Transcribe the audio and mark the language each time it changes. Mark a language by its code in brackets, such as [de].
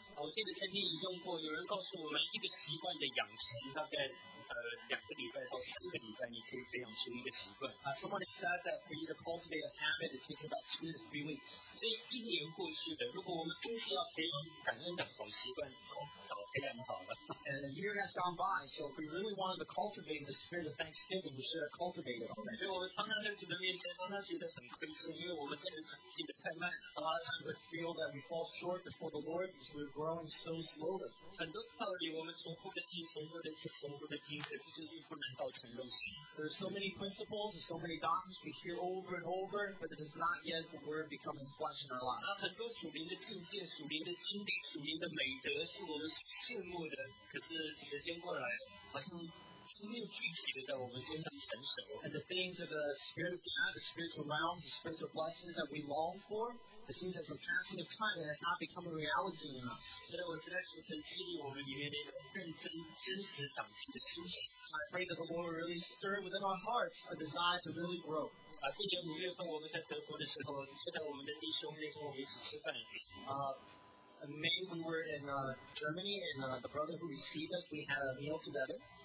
[zh] 我记得曾经引用过，有人告诉我们一个习惯的养成，大概两个礼拜到三个礼拜，你可以培养出一个习惯。 [en] Someone said that for you to cultivate a habit, it takes about 2 to 3 weeks. [zh] 所以一年过去了，如果我们真是要培养感恩的好习惯，早培养好了。 [en] And a year has gone by, so if we really wanted to cultivate the spirit of thanksgiving, we should have cultivated it already. [zh] 所以我们常常在主的面前，常常觉得很亏欠，因为我们真的长进的太慢了。 [en] A lot of times we feel that we fall short before the Lord because we're growing so slowly. [zh] 很多道理我们重复的听，重复的听，重复的听。 [en] There are so many principles and so many doctrines we hear over and over, but it is not yet the word becoming flesh in our lives. [zh] 那很多属灵的境界、属灵的经历、属灵的美德是我们羡慕的，可是时间过来，好像没有具体的在我们身上成熟。 [en] And the things of the spirit of God, the spiritual realms, the spiritual blessings that we long for, it seems as a passing of time, it has not become a reality in us. [zh] 所以我实在求神激励我们里面的认真、真实长进的心情。 [en] I pray that the Lord will really stir within our hearts a desire to really grow. [zh] 今年五月份我们在德国的时候，就在我们的弟兄那天我们一起吃饭。 [en] In May, we were in Germany, and the brother who received us, we had a meal together.